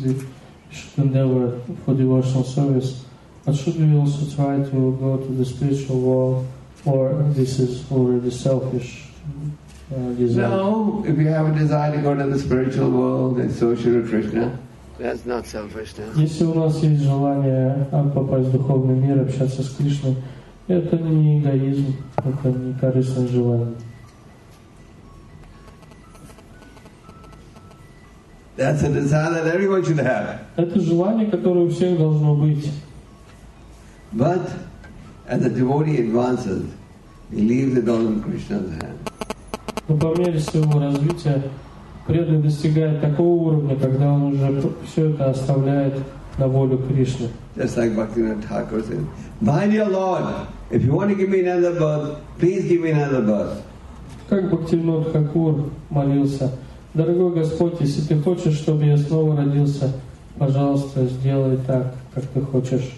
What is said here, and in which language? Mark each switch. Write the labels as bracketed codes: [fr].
[en] We should endeavor for devotional service. But should we also try to go to the spiritual world, or this is already selfish desire? No, if you have a desire to go to the spiritual world, then so should Krishna. That's not selfish. No. [ru] Если у нас есть желание попасть в духовный мир, общаться с Кришной, это не эгоизм, это не корыстное желание. [en] That's a desire that everyone should have. [ru] Это желание, которое у всех должно быть. [en] But as the devotee advances, he leaves it all in Krishna's hands. [ru] Но по мере своего развития преданный достигает такого уровня, когда он уже все это оставляет на волю Кришны. [en] Just like Bhaktivinoda Thakur said, "My dear Lord, if you want to give me another birth, please give me another birth." [ru] Как Бхактивинода Хакур молился. Дорогой Господь, если ты хочешь, чтобы я снова родился, пожалуйста, сделай так, как ты хочешь.